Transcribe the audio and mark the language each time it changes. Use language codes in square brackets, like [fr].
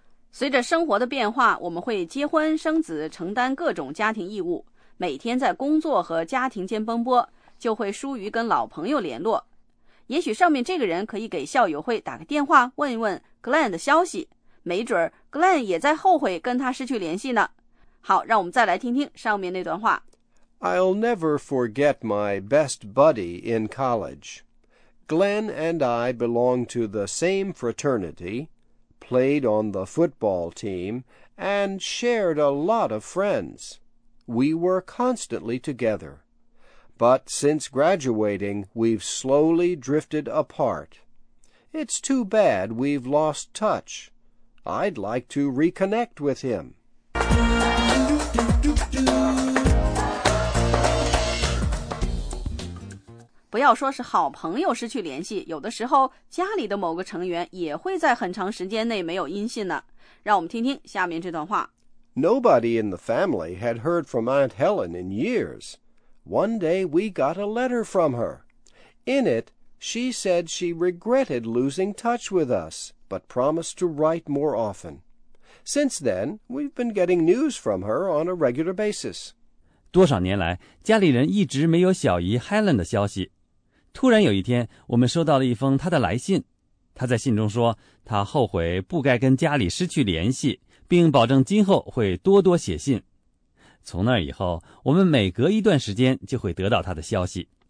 [zh] 随着生活的变化，我们会结婚生子，承担各种家庭义务，每天在工作和家庭间奔波，就会疏于跟老朋友联络。也许上面这个人可以给校友会打个电话，问一问 Glenn 的消息，没准 Glenn 也在后悔跟他失去联系呢。好，让我们再来听听上面那段话。 [en] I'll never forget my best buddy in college. Glenn and I belonged to the same fraternity, played on the football team, and shared a lot of friends. We were constantly together. But since graduating, we've slowly drifted apart. It's too bad we've lost touch. I'd like to reconnect with him. [zh] 不要说是好朋友失去联系，有的时候家里的某个成员也会在很长时间内没有音信呢。让我们听听下面这段话。 [en] Nobody in the family had heard from Aunt Helen in years. One day we got a letter from her. In it, she said she regretted losing touch with us, but promised to write more often. Since then, we've been getting news from her on a regular basis. [zh] 多少年来，家里人一直没有小姨 Helen 的消息。突然有一天，我们收到了一封她的来信。她在信中说，她后悔不该跟家里失去联系，并保证今后会多多写信。从那以后，我们每隔一段时间就会得到他的消息。